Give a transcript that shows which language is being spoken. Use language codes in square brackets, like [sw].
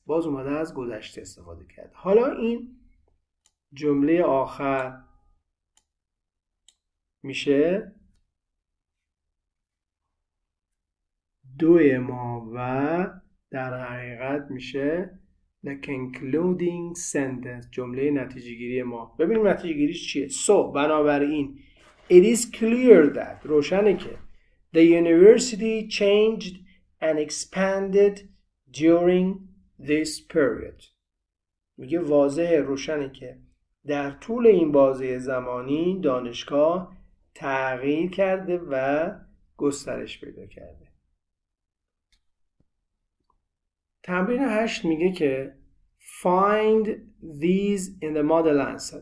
[fa] باز اومده از گذشته استفاده کرد. حالا این جمله آخر میشه دوی ما و در حقیقت میشه [en] the concluding sentence، [fa] جمله نتیجه گیری ما. ببینیم نتیجه گیریش چیه. [en] So [fa] بنابراین [en] it is clear that، [fa] روشنه که [en] the university changed and expanded during this period. [fa] میگه واضحه، روشنه که در طول این بازه زمانی دانشگاه تغییر کرده و گسترش پیدا کرده. تمرین 8 میگه که [en] find these in the model answer.